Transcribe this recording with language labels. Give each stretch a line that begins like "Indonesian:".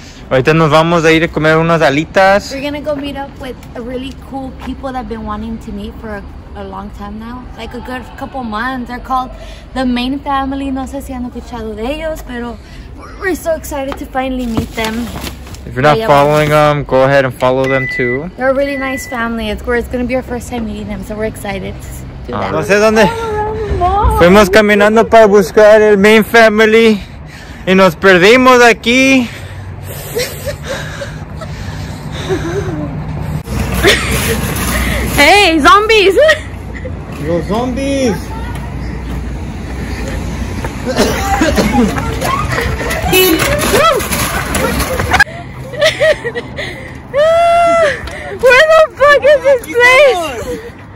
Spanish: Ahorita nos vamos a ir a comer unas alitas.
English: We're gonna go meet up with really cool people that have been wanting to meet for a long time now. Like a good couple months. They're called the main family.
Spanish: No sé si han escuchado de ellos, pero
English: we're so excited to finally meet them. If you're not following them, go ahead and follow them too. They're a really nice family. It's gonna be our first time meeting them, so we're excited to do that.
Spanish: No sé dónde. Fuimos caminando para buscar el main family y nos perdimos aquí.
English: Hey, zombies! Yo, zombies! Where the fuck is this place?